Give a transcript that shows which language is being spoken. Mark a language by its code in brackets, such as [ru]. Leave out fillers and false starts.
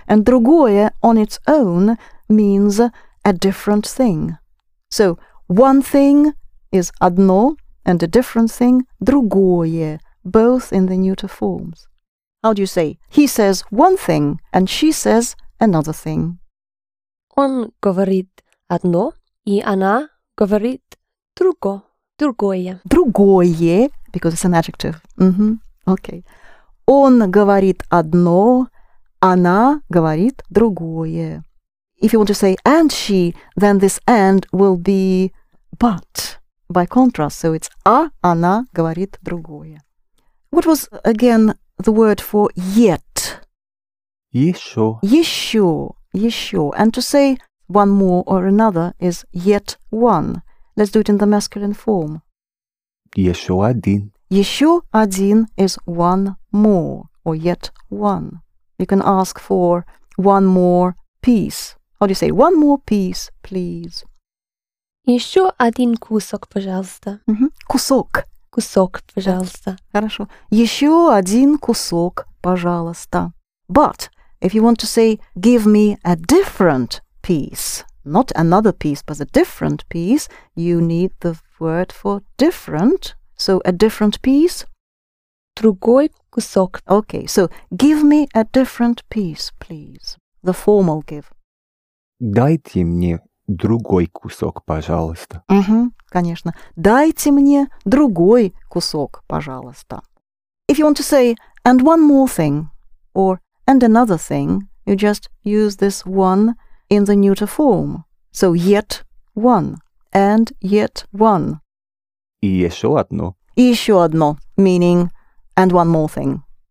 [en] And другое on its own means a different thing. So, one thing is одно, and a different thing, другое, both in the neuter forms. How do you say? He says one thing, and she says another thing. [ru] Он говорит одно, и она говорит другое. Другое, [en] because it's an adjective. Mm-hmm. Okay. [ru] Он говорит одно, она говорит другое. [en] If you want to say and she, then this and will be but, by contrast, so it's [ru] а она говорит другое. [en] What was, again, the word for yet? [ru] Еще. Еще. Еще. [en] And to say one more or another is yet one. Let's do it in the masculine form. [ru] Еще один. Еще один [en] is one more, or yet one. You can ask for one more piece. How do you say one more piece, please? [ru] Еще один кусок, пожалуйста. Mm-hmm. Кусок. Кусок, пожалуйста. Хорошо. Еще один кусок, пожалуйста. [en] But if you want to say, give me a different piece, not another piece, but a different piece, you need the word for different. So a different piece? [ru] Другой кусок. [en] Okay, so give me a different piece, please. The formal give. [ru] Дайте мне другой кусок, пожалуйста. Угу, конечно. Дайте мне другой кусок, пожалуйста. [en] If you want to say and one more thing or and another thing, you just use this one in the neuter form. So yet one and yet one. [ru] И еще одно. И еще одно, [en] meaning and one more thing.